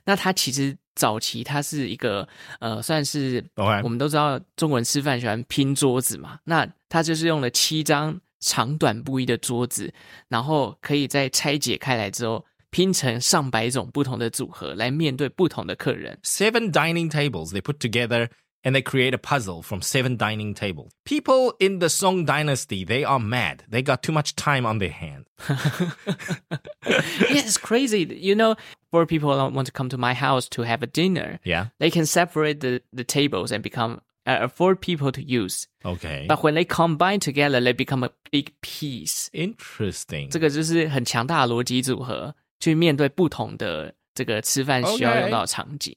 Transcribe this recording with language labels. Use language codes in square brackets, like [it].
[zh] 那它其实, 早期它是一个, 算是, [en] okay. [zh] 我们都知道中国人吃饭喜欢拼桌子嘛, 那它就是用了七张长短不一的桌子, 然后可以再拆解开来之后, 拼成上百种不同的组合, 来面对不同的客人。 [en] Seven dining tables, they put together, and they create a puzzle from seven dining tables. People in the Song Dynasty, they are mad. They got too much time on their hands. Yeah, it's crazy. You know, for people who don't want to come to my house to have a dinner, yeah. They can separate the tables and become four people to use. Okay. But when they combine together, they become a big piece. Interesting. [zh] 这个就是很强大的逻辑组合去面对不同的这个吃饭需要用到的场景。